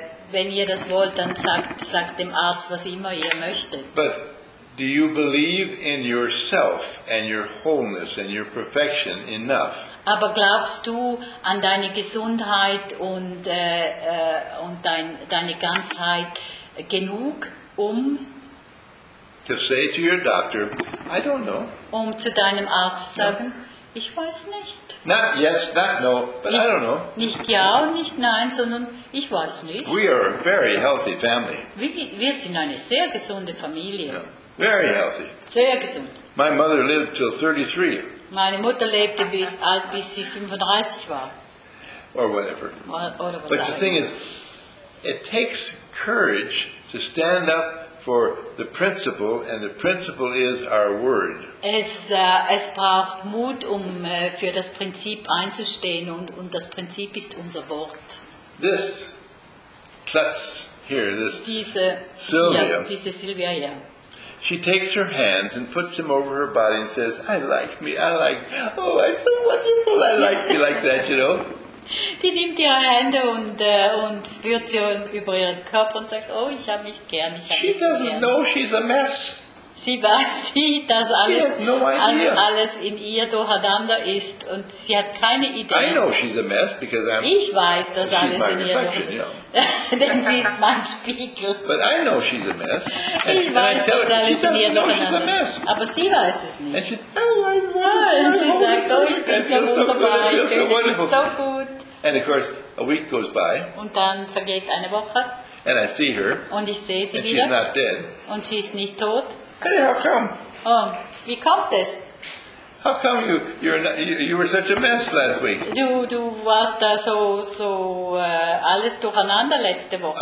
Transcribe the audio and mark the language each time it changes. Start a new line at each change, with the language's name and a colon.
German: Wenn ihr das wollt, dann sagt dem Arzt, was immer ihr möchtet.
English: But do you believe in yourself and your wholeness and your perfection enough?
German: Aber glaubst du an deine Gesundheit und deine Ganzheit genug, um
English: to say to your doctor, I don't know.
German: Um zu deinem Arzt zu sagen,
English: no.
German: Ich weiß nicht.
English: Not yes, not no, but
German: nicht,
English: I don't know.
German: Nicht ja und nicht nein, sondern ich weiß nicht.
English: We are a very healthy family.
German: Wir sind eine sehr gesunde Familie.
English: Yeah. Very healthy.
German: Sehr gesund.
English: My mother lived till 33.
German: Meine Mutter lebte bis sie 35 war.
English: Or whatever.
German: Oder was
English: but the thing is, it takes courage to stand up for the principle, and the principle is our word.
German: Es braucht Mut, für das Prinzip einzustehen, und das Prinzip ist unser Wort.
English: This klutz here, this
German: diese, Sylvia, ja, diese Sylvia, ja.
English: She takes her hands and puts them over her body and says, I like me, I like, oh, I'm so wonderful, I like me like that, you know.
German: Die nimmt ihre Hände und führt sie über ihren Körper und sagt, oh, ich habe mich gern, ich habe mich gern.
English: She doesn't know she's a mess.
German: Sie weiß nicht, dass alles in ihr durcheinander ist, und sie hat keine Idee.
English: I know she's a mess because I'm,
German: ich weiß, dass alles in ihr durcheinander ist.
English: You know.
German: Denn sie ist mein Spiegel.
English: But I know she's a mess.
German: Ich weiß, dass alles in ihr durcheinander ist. Aber sie weiß es nicht.
English: And she, oh, I'm wonderful.
German: Und sie sagt, oh, ich bin so wunderbar, ich fühle mich so gut.
English: And of course, a week goes by.
German: Und dann vergeht eine Woche.
English: And I see her.
German: Und ich sehe sie
English: and
German: wieder.
English: She's not dead.
German: Und sie ist nicht tot.
English: Hey, how come?
German: Wie kommt es?
English: How come you were such a mess last week?
German: Du warst da so alles durcheinander letzte Woche.